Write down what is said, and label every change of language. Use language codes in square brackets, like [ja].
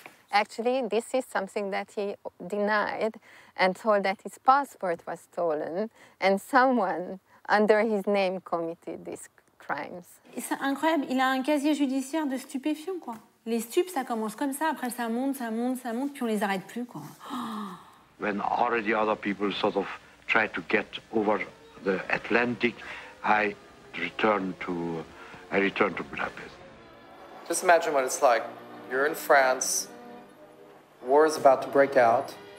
[en] Actually, this is something that he denied and told that his passport was stolen and someone under his name committed these crimes. [fr] C'est incroyable, il a un casier judiciaire de stupéfiants, quoi. Les stupes, ça commence comme ça, après ça monte, puis on les arrête plus, quoi. [en] When already other people sort of tried to get over the Atlantic, I returned to Budapest. Just imagine what it's like. You're in France, war is about to break out.